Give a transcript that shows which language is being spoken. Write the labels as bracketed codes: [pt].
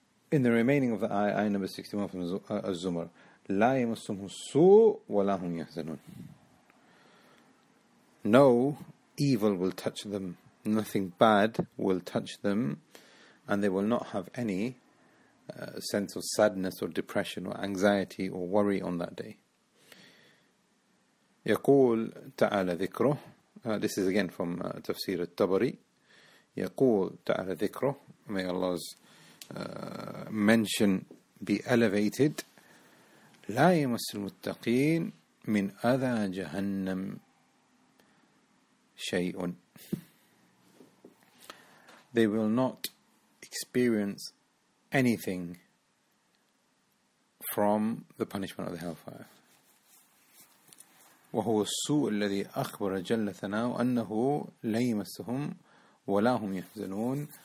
[en] In the remaining of the ayah number 61 from Az-Zumar, [ar] لَا يَمَسُّهُمُ السُّوءُ وَلَا هُمْ يَحْزَنُونَ. [en] No evil will touch them. Nothing bad will touch them, and they will not have any sense of sadness or depression or anxiety or worry on that day. [ar] يقول تعالى ذكره, [en] this is again from Tafsir al-Tabari, [ar] يقول تعالى ذكره, [en] may Allah's mention be elevated, [ar] لا يمس المتقين من أذى جهنم شيء. [en] They will not experience anything from the punishment of the hellfire. [ar] وَهُوَ السُّوءُ الَّذِي أَخْبَرَ جَلَّ ثَنَاهُ أَنَّهُ لَيْمَسُهُمْ وَلَا هُمْ يَحْزَنُونَ.